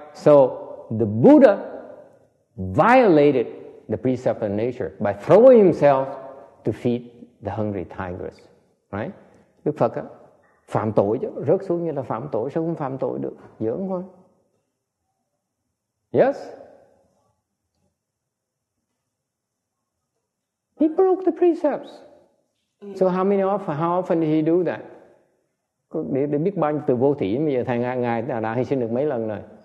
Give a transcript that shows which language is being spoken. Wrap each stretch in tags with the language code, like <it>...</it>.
<en>So, the Buddha violated the precept of nature by throwing himself to feed the hungry tigers, right?</en> <vi>Đức Phật á, phạm tội chứ, rớt xuống như là phạm tội, sao không phạm tội được, giỡn thôi.</vi> <en>Yes? He broke the precepts. So how many often, how often did he do that?</en> <vi>Để biết bao nhiêu từ vô thủy, bây giờ thầy Ngài đã hy sinh được mấy lần rồi?</vi>